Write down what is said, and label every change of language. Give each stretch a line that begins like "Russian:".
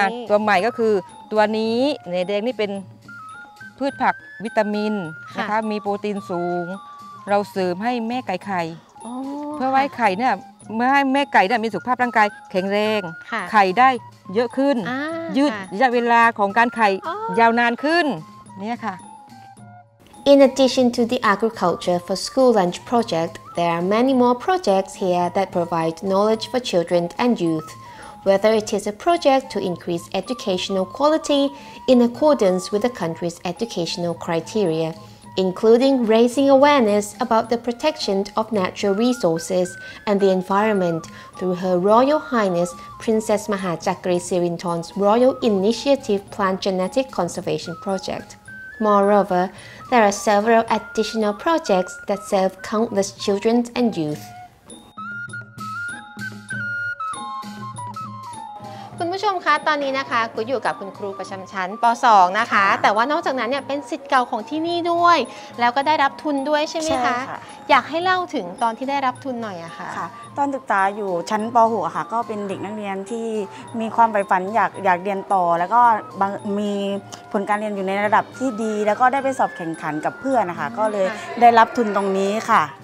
Thai: ตัวใหม่ก็คือตัวนี้ไหนแดงนี่เป็นพืชผักวิตามินนะคะมีโปรตีนสูงเราเสริมให้แม่ไก่ไข่เพื่อไว้ไข่เนี่ยเมื่อให้แม่ไก่ได้มีสุขภาพร่างกายแข็งแรงไข่ได้เยอะขึ้นยืดระยะเวลาของการไข่ยาวนานขึ้นเนี่ยค่ะ
English: In addition to the Agriculture for School Lunch project, there are many more projects here that provide knowledge for children and youth. Whether it is a project to increase educational quality in accordance with the country's educational criteria, including raising awareness about the protection of natural resources and the environment through Her Royal Highness Princess Mahajakri Sirinton's Royal Initiative Plant Genetic Conservation Project. Moreover, there are several additional projects that serve countless children and youth.
Thai: คุณผู้ชมคะตอนนี้นะคะกูอยู่กับคุณครูประจำชั้นป.2นะคะแต่ว่านอกจากนั้นเนี่ยเป็นศิษย์เก่าของที่นี่ด้วยแล้วก็ได้รับทุนด้วยใช่ไหม คะ อยากให้เล่าถึงตอนที่ได้รับทุนหน่อยอะค่ะ ตอนศึกษาอยู่ชั้นป.6 ค่ะก็เป็นเด็กนักเรียนที่มีความใฝ่ฝันอยากเรียนต่อแล้วก็มีผลการเรียนอยู่ในระดับที่ดีแล้วก็ได้ไปสอบแข่งขันกับเพื่อนนะคะก็เลยได้รับทุนตรงนี้ค่ะ